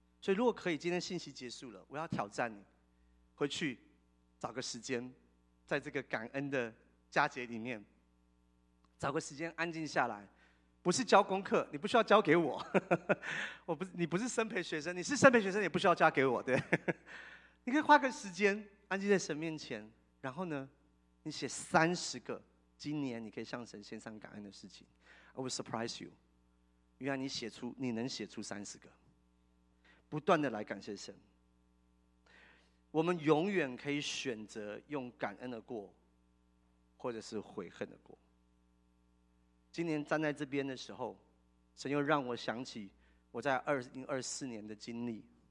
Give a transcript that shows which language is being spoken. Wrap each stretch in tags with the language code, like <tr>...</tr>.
<zh>所以如果可以，今天信息结束了，我要挑战你回去找个时间，在这个感恩的佳节里面找个时间安静下来。不是交功课，你不需要交给我。你不是生培学生，你是生培学生也不需要交给我，对。你可以花个时间安静在神面前，然后呢你写30个今年你可以向神献上感恩的事情。</zh> <en>I will surprise you，</en> <zh>原来你能写出30个。不断的来感谢神，我们永远可以选择用感恩的过或者是悔恨的过。今年站在这边的时候，神又让我想起我在2024年的经历。</zh>